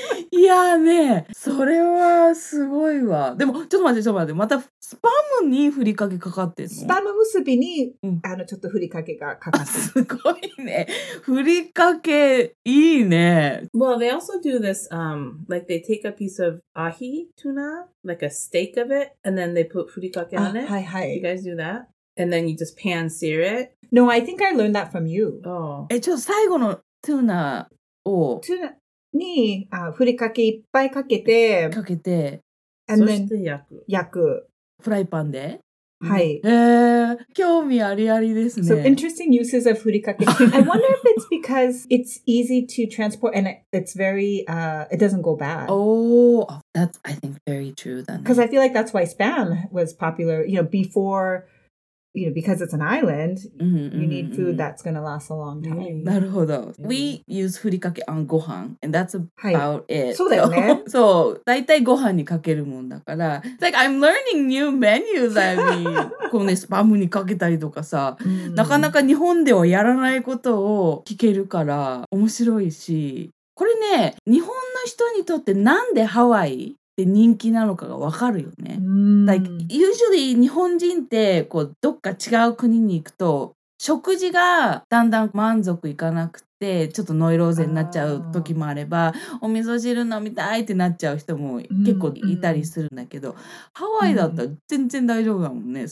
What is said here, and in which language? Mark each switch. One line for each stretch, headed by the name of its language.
Japanese: いやね、それはすごいわ。でも、ちょっと待って。またスパムにふりかけかかってるの？スパム結びに、うん、ちょっとふりかけがかかってる。すごいね。ふりかけいいね。
English: Well, they also do this, like they take a piece of ahi tuna, like a steak of it, and then they put ふりかけ on it.
Japanese: はいはい。
English: You guys do that? And then you just pan sear it? No, I think I learned that from you. Oh.
Japanese: ちょっと最後のトゥーナを。トゥーナ。に、ふりかけいっぱいかけて、かけて、
English: and then、
Japanese: そして焼く。焼く。フライパンで？はい。興味ありありですね。
English: So interesting uses of ふりかけ。 I wonder if it's because it's easy to transport and it's very, it doesn't go bad. Oh, that's, I think, very true then. Because I feel like that's why spam was popular, you know, before... You know, because it's an island, mm-hmm, you need food mm-hmm. that's going to last a long time. Mm-hmm.
Japanese: なるほど。
English: We use ふりかけ on gohan, and that's about it.
Japanese: そうだよね。 So, だいたいご飯にかけるもんだから。
English: It's like, I'm learning new menus, I mean.
Japanese: こうね、スパムにかけたりとかさ、なかなか日本ではやらないことを聞けるから、面白いし。これね、日本の人にとってなんでハワイ? で人気なのかがわかるよね。Like, usually 日本人ってこうどっか違う国に行くと食事がだんだん満足いかなくてちょっとノイローゼになっちゃう時もあればあお味噌汁飲みたいってなっちゃう人も結構いたりするんだけど、ハワイだったら全然大丈夫だもんね。